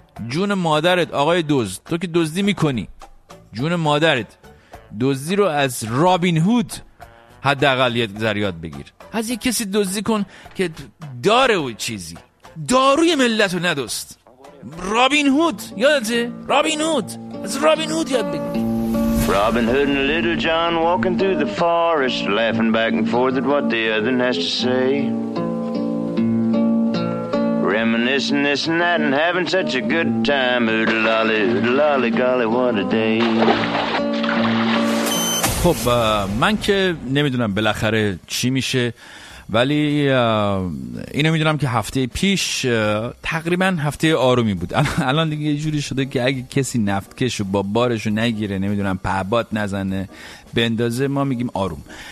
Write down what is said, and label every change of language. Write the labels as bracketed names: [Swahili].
[Persian] جون مادرت آقای دزد، تو که دزدی میکنی، جون مادرت، دزدی رو از رابین هود حداقل یه زریاد بگیر، از یه کسی دزدی کن که داره و چیزی، داروی ملت رو ندزد. رابین هود یادته؟ رابین هود، از رابین هود یاد بگیر. [English] Robin Hood and Little John walking through the forest laughing back and forth at what the other has to say. Reminiscing this and that and having such a good time. Oodle lolly golly, what a day. [Persian] خب من که نمیدونم بالاخره چی میشه. ولی اینو میدونم که هفته پیش تقریبا هفته آرومی بود، الان دیگه یه جوری شده که اگه کسی نفتکش و با بارشو نگیره، نمیدونم پهباد نزنه بندازه، ما میگیم آروم.